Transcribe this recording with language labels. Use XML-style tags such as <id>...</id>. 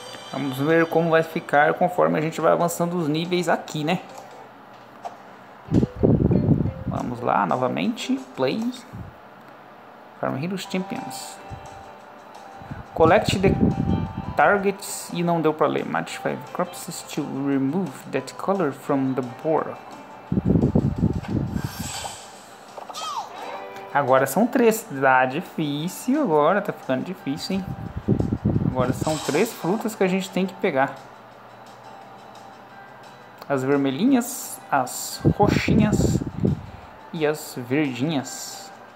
<pt>Vamos ver como vai ficar conforme a gente vai avançando os níveis aqui, né? Vamos lá, novamente, play. Farm Heroes Champions.</pt> <en>Collect the targets</en> <pt>e não deu pra ler.</pt> <en>Match 5 crops to remove that color from the board.</en> <pt>Agora são 3, tá difícil agora, tá ficando difícil, hein? Agora são 3 frutas que a gente tem que pegar. As vermelhinhas, as roxinhas e as verdinhas.</pt>